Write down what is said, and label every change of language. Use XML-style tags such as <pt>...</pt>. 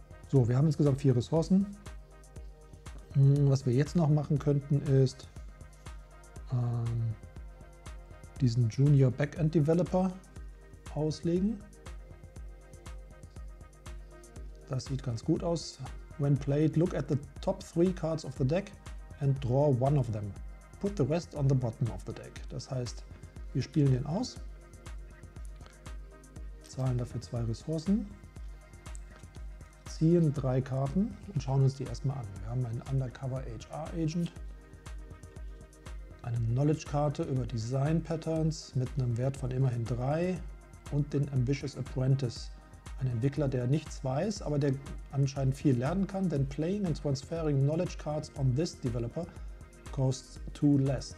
<de>So, wir haben insgesamt 4 Ressourcen. Was wir jetzt noch machen könnten, ist diesen Junior Backend Developer auslegen. Das sieht ganz gut aus.</de> <en>When played, look at the top 3 cards of the deck and draw one of them. Put the rest on the bottom of the deck.</en> <de>Das heißt, wir spielen den aus. Zahlen dafür 2 Ressourcen, ziehen 3 Karten und schauen uns die erstmal an. Wir haben einen Undercover HR Agent, eine Knowledge-Karte über Design Patterns mit einem Wert von immerhin 3 und den Ambitious Apprentice, ein Entwickler, der nichts weiß, aber der anscheinend viel lernen kann, denn</de> <en>playing and transferring Knowledge Cards on this developer costs 2 less.</en>